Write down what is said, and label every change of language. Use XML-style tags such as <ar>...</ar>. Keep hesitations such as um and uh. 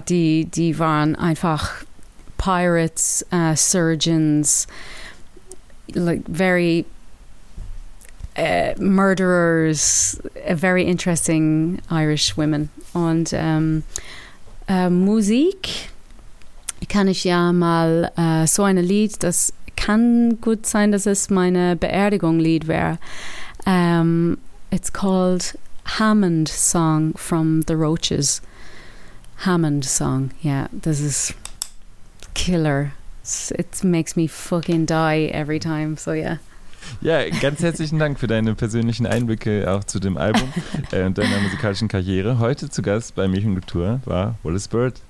<de>Die, die waren einfach</de> <en>Pirates, uh, Surgeons, like very Uh, murderers, a uh, very interesting Irish woman. And um, uh, music,</en> <de>can ich ja mal so eine Lied, das kann gut sein, dass es meine Beerdigung-Lied wäre.</de> <en>it's called Hammond Song from the Roaches. Hammond Song, yeah, this is killer. It's, it makes me fucking die every time, so yeah.</en> <de>Ja, ganz herzlichen Dank für deine persönlichen Einblicke auch zu dem Album und deiner musikalischen Karriere. Heute zu Gast bei Milch und Kultur war Wallace Bird.</de>